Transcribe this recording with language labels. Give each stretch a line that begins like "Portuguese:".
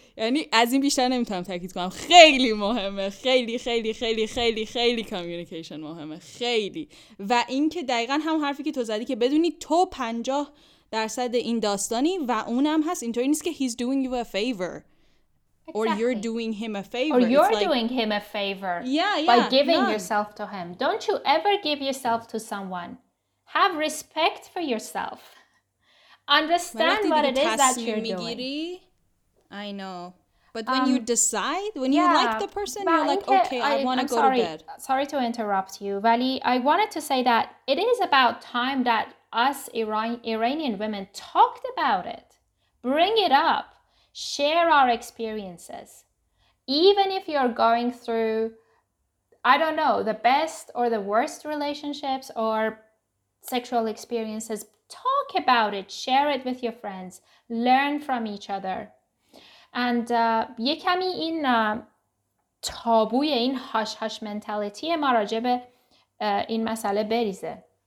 Persian: یعنی از این بیشتر نمیتونم تاکید کنم، خیلی مهمه، خیلی خیلی خیلی خیلی خیلی کامیونیکیشن مهمه، خیلی. و اینکه دقیقاً هم حرفی که تو زدی که بدونی تو 50% این داستانی و اونم هست، اینطوری نیست که
English: he's doing you a favor. Exactly. Or you're doing him a favor. Or you're like, doing him a favor. Yeah, yeah. By giving yourself to him. Don't you ever give yourself to someone. Have respect for yourself. Understand what it is that you're doing. I know. But when you decide, when you like the person, you're like, okay, I want to go to bed. Sorry to interrupt you, Vali. I wanted to say that it is about time that us Iranian women talked about it. Bring it up. Share our experiences. Even if you're going through, I don't know, the best or the worst relationships or sexual experiences, talk about it, share it with your friends, learn from each other. And
Persian: یه کمی این تابوی این هاش هاش منتالیتی ما راجع به این مسئله بریزه.